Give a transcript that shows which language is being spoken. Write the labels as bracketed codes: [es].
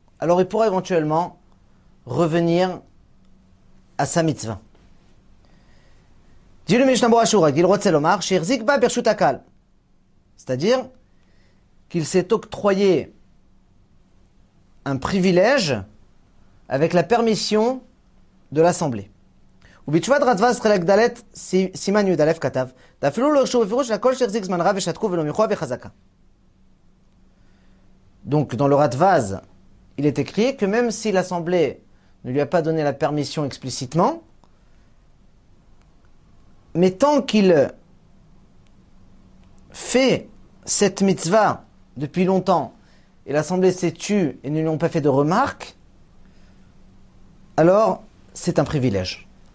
[fr] Alors il pourra éventuellement revenir à sa mitzvah. Dit le Mishnah Berurah [he] Shehu Ragil, Rotzeh Lomar, Shehechzik Ba Berchut HaKal. [fr] C'est-à-dire qu'il s'est octroyé un privilège avec la permission de l'assemblée. [he] ובתשובת רדווה שחלק ד' סימן י' א' כתב, ואפילו לא הרשו בפירוש שהכל שהחזיק זמן רב ושתקו ולא מיכוע וחזקה. [fr] Donc dans le Ratvaz, il est écrit que même si l'assemblée ne lui a pas donné la permission explicitement, mais tant qu'il fait cette mitzvah depuis longtemps et l'assemblée s'est tue et ne lui ont pas fait de remarques, alors c'est un privilège.